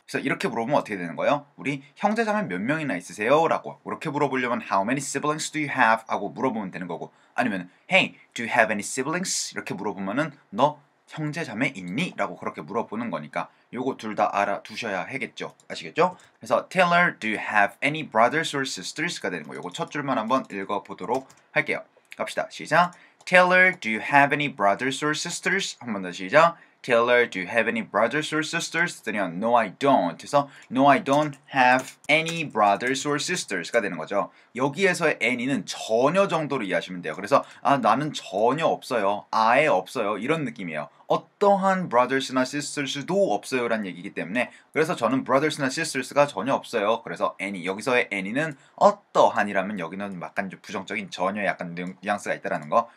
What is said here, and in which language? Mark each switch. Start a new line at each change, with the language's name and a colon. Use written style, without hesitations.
Korean: 그래서 이렇게 물어보면 어떻게 되는 거예요? 우리 형제자매 몇 명이나 있으세요? 라고 이렇게 물어보려면
English: How many siblings do you have?
Korean: 하고 물어보면 되는 거고 아니면
English: Hey, do you have any siblings?
Korean: 이렇게 물어보면은 너 형제 자매 있니? 라고 그렇게 물어보는 거니까 요거 둘 다 알아두셔야 하겠죠. 아시겠죠? 그래서
English: Tell her, do you have any brothers or sisters?
Korean: 가 되는 거 요거 첫 줄만 한번 읽어보도록 할게요. 갑시다. 시작.
English: Tell her, do you have any brothers or sisters?
Korean: 한번 더 시작.
English: Tell her, do you have any brothers or sisters? 그러면 No, I don't.
Korean: 그래서
English: No, I don't have any brothers or sisters.
Korean: 가 되는 거죠. 여기에서의 any는 전혀 정도로 이해하시면 돼요. 그래서 아 나는 전혀 없어요. 아예 없어요. 이런 느낌이에요. 어떠한 brothers나 sisters도 없어요. 라는 얘기이기 때문에 그래서 저는 brothers나 sisters가 전혀 없어요. 그래서 any. 여기서의 any는 어떠한이라면 여기는 약간 부정적인 전혀 약간 뉘앙스가 있다는 거.